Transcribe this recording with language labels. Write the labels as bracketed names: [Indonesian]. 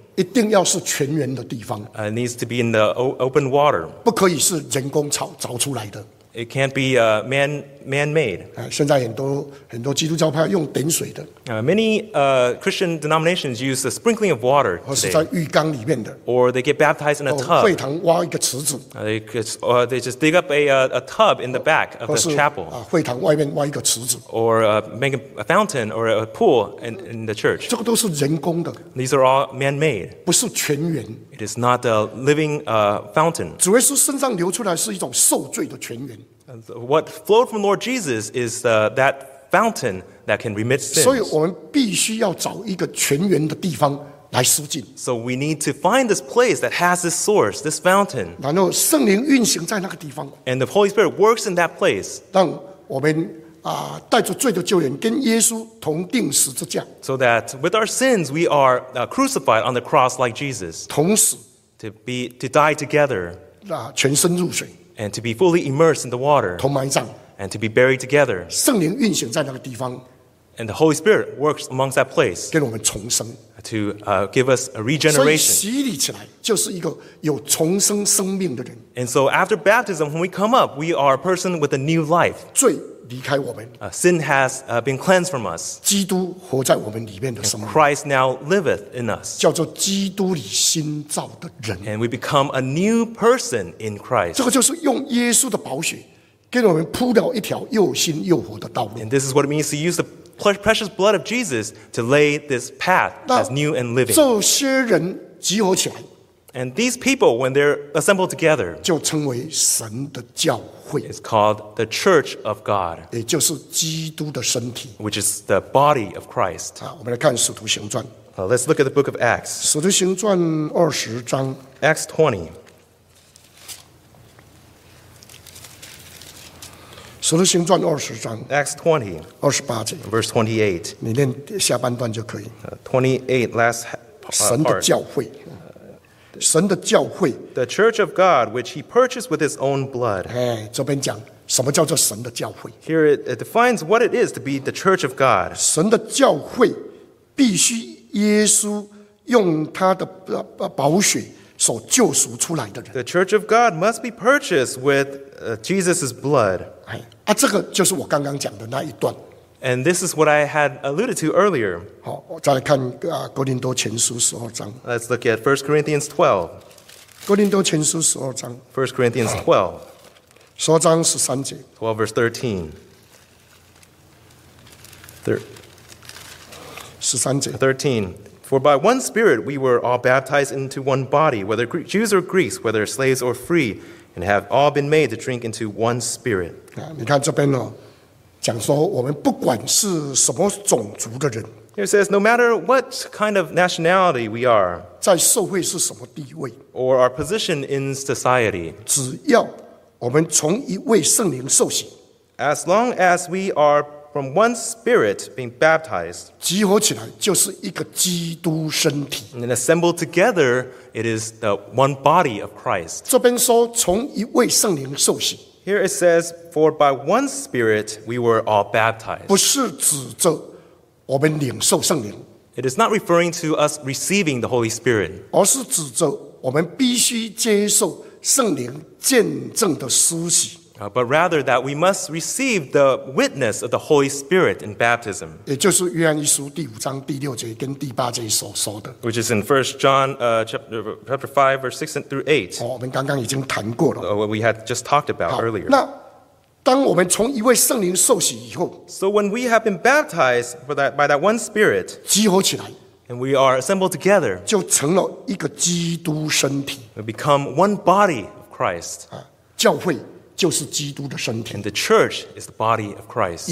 [Chinese] 一定要是泉源的地方 [English] ，it needs to be in the open water. [Chinese] 不可以是人工凿出来的 [English] ，it can't be man-made. [Chinese] 现在很多基督教派用点水的 [English] ，many Christian denominations use the sprinkling of water. [Chinese] 或是在浴缸里面的 [English] ，or they get baptized in a tub. [Chinese] 会堂挖一个池子 [English] ，they just dig up a tub in the back of the chapel. [Chinese] 会堂外面挖一个池子 [English] ，or make a fountain or a pool in the church. [Chinese] 这个都是人工的 [English] ，these are all man-made. [Chinese] 不是泉源 [English] ，it is not a living fountain. [Chinese] 主耶稣身上流出来是一种受罪的泉源。 [English] What flowed from Lord Jesus is that fountain that can remit sins. [Chinese] 所以我们必须要找一个泉源的地方来施浸。 [English] So we need to find this place that has this source, this fountain. [Chinese] 然后圣灵运行在那个地方。 [English] And the Holy Spirit works in that place. [Chinese] 让我们带着罪的救援跟耶稣同钉十字架。 [English] So that with our sins we are crucified on the cross like Jesus. [Chinese] 同死。 [English] To die together. [Chinese] 全身入水。 [English] And to be fully immersed in the water, [Chinese] 同埋葬, [English] and to be buried together, [Chinese] 圣灵运行在那个地方, [English] And the Holy Spirit works amongst that place. [Chinese] 给我们重生。 [English] To give us a regeneration. [Chinese] 所以洗礼起来就是一个有重生生命的人。 [English] And so after baptism, when we come up, we are a person with a new life. [Chinese] 罪离开我们。 [English] Sin has been cleansed from us. [Chinese] 基督活在我们里面的生命。 [English] And Christ now liveth in us. [Chinese] 叫做基督里新造的人。 [English] And we become a new person in Christ. [Chinese] 这个就是用耶稣的宝血给我们铺了一条又新又活的道路。 [English] And this is what it means to use theprecious blood of Jesus to lay this path as new and living. [Chinese] 这些人集合起来 [English] And these people, when they're assembled together, [Chinese] 就称为神的教会 [English] It's called the church of God. [Chinese] 也就是基督的身体 [English] Which is the body of Christ. [Chinese] 我们来看使徒行传 [English] Let's look at the book of Acts. [Chinese] 使徒行传二十章 [English] Acts 20. [Chinese] 使徒行传二十章 [English] Acts 20, [Chinese] 二十八节 [English] Verse 28. [Chinese] 你念下半段就可以 [English] 28, last part. [Chinese] 神的教会神的教会 [English] The church of God, which he purchased with his own blood. [Chinese] 这边讲什么叫做神的教会 [English] Here it defines what it is to be the church of God. [Chinese] 神的教会必须耶稣用他的宝血所救赎出来的人 [English] The church of God must be purchased with Jesus' blood. [Chinese] 这个就是我刚刚讲的那一段。 [English] And this is what I had alluded to earlier. [Chinese] 好，我再来看哥林多前书十二章。 [English] Let's look at 1 Corinthians 12. [Chinese] 哥林多前书十二章。 [English] 1 Corinthians 12. [Chinese] 十二章十三节。 [English] 12 verse 13. [Chinese] 十三节。 [English] 13. For by one Spirit we were all baptized into one body, whether Jews or Greeks, whether slaves or free, and have all been made to drink into one Spirit. [Chinese] 你看这边哦，讲说我们不管是什么种族的人。 [English] It says no matter what kind of nationality we are, [Chinese] 在社会是什么地位。 [English] Or our position in society. [Chinese] 只要我们从一位圣灵受洗。 [English] As long as we are From one spirit being baptized, [Chinese] 集合起来就是一个基督身体。 [English] And assembled together, it is the one body of Christ. [Chinese] 这边说从一位圣灵受洗。 [English] Here it says, for by one spirit we were all baptized. [Chinese] 不是指着我们领受圣灵。 [English] It is not referring to us receiving the Holy Spirit. [Chinese] 而是指着我们必须接受圣灵见证的施洗。 [English] But rather that we must receive the witness of the Holy Spirit in baptism. [Chinese] 也就是约翰一书第五章第六节跟第八节所说的。 [English] Which is in 1 John chapter 5, verse 6 through 8. [Chinese] 我们刚刚已经谈过了。 [English] What we had just talked about earlier. [Chinese] 那当我们从一位圣灵受洗以后。 [English] So when we have been baptized by that one Spirit. [Chinese] 集合起来。 [English] And we are assembled together. [Chinese] 就成了一个基督身体。 [English] We become one body of Christ. [Chinese] 教会。就是基督的身体。 [English] And the church is the body of Christ.